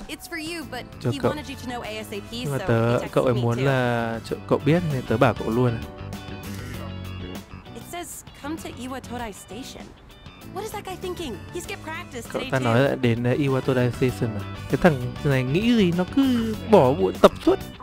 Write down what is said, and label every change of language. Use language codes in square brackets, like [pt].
[en] It's for you, but he wanted you to know ASAP, so. [vi] Nhưng mà tớ, cậu ấy muốn là cho cậu biết nên tớ bảo cậu luôn. [en] It says come to Iwatodai Station. What is that guy thinking? He's get practice today. [vi] Cậu ta nói là đến Iwatodai Station à? Cái thằng này nghĩ gì, nó cứ bỏ buổi tập suốt.